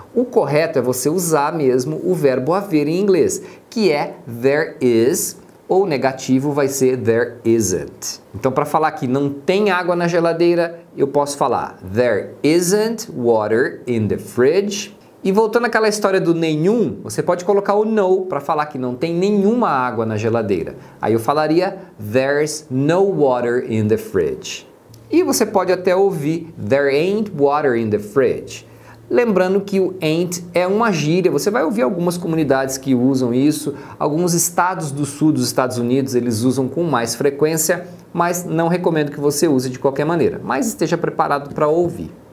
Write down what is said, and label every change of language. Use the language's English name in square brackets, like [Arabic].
[Portuguese] O correto é você usar mesmo o verbo haver em inglês, que é there is, ou negativo vai ser there isn't. Então, para falar que não tem água na geladeira, eu posso falar [English] there isn't water in the fridge. [Portuguese] E voltando àquela história do nenhum, você pode colocar o no para falar que não tem nenhuma água na geladeira. Aí eu falaria [English] there's no water in the fridge. [Portuguese] E você pode até ouvir [English] there ain't water in the fridge. [Portuguese] Lembrando que o ain't é uma gíria, você vai ouvir algumas comunidades que usam isso, alguns estados do sul dos Estados Unidos eles usam com mais frequência, mas não recomendo que você use de qualquer maneira, mas esteja preparado para ouvir.